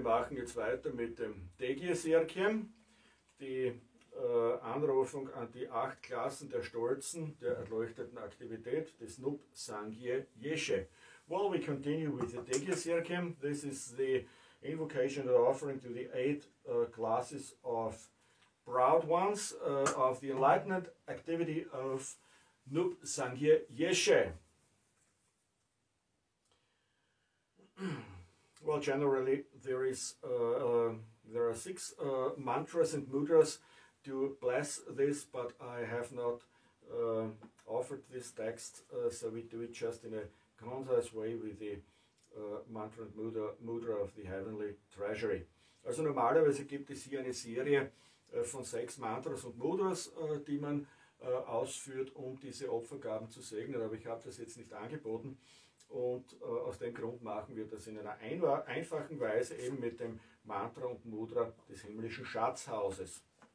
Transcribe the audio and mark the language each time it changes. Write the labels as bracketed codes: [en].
[de] jetzt weiter mit dem DGSRCAM, die Anrufung an die 8 Klassen der Stolzen, der erleuchteten Aktivität, des Nub Sangye Yeshe. [en] Well, we continue with the DGSRCAM. This is the invocation or offering to the 8 classes of proud ones of the enlightenment activity of Nub Sangye Yeshe. Well, generally there is there are 6 mantras and mudras to bless this, but I have not offered this text, so we do it just in a concise way with the mantra and mudra of the Heavenly Treasury. [de] Also normalerweise gibt es hier eine Serie von 6 Mantras und Mudras, die man ausführt, um diese Opfergaben zu segnen, aber ich habe das jetzt nicht angeboten. Und aus dem Grund machen wir das in einer einfachen Weise, eben mit dem Mantra und Mudra des himmlischen Schatzhauses.